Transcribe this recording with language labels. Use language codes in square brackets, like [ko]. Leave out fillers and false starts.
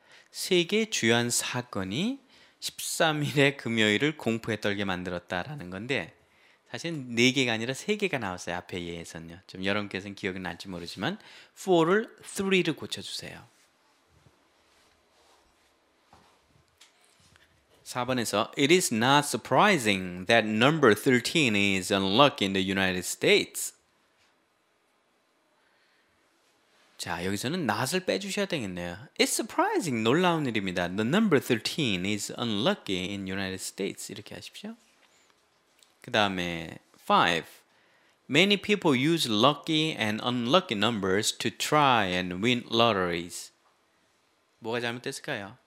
[ko] 세 개의 주요한 사건이 13일의 금요일을 공포에 떨게 만들었다라는 건데 사실 네 개가 아니라 세 개가 나왔어요. 앞에 예에서는요. 좀 여러분께서는 기억이 날지 모르지만 4를 3로 고쳐주세요. 4번에서 [en] It is not surprising that number 13 is unlucky in the United States. [ko] 자, 여기서는 not을 빼주셔야 되겠네요. [en] It's surprising. [ko] 놀라운 일입니다. [en] The number 13 is unlucky in the United States. [ko] 이렇게 하십시오. 그 다음에 5. [en] Many people use lucky and unlucky numbers to try and win lotteries. [ko] 뭐가 잘못됐을까요?